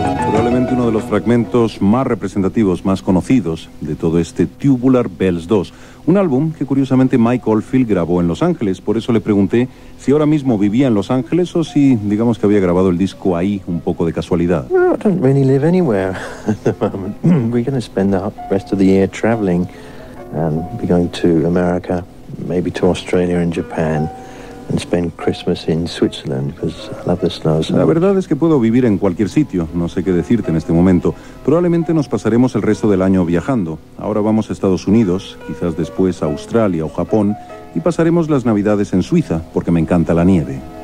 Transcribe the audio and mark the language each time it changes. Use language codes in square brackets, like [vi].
[es] Probablemente uno de los fragmentos más representativos, más conocidos de todo este Tubular Bells 2. Un álbum que curiosamente Mike Oldfield grabó en Los Ángeles. Por eso le pregunté si ahora mismo vivía en Los Ángeles o si, digamos, que había grabado el disco ahí un poco de casualidad. [en] No, I don't really live anywhere at the moment. We're going to spend the rest of the year traveling and be going to America, maybe to Australia and Japan. And spend Christmas in Switzerland because I love the snow so much. [es] La verdad es que puedo vivir en cualquier sitio, no sé qué decirte en este momento. Probablemente nos pasaremos el resto del año viajando. Ahora vamos a Estados Unidos, quizás después a Australia o Japón, y pasaremos las Navidades en Suiza porque me encanta la nieve.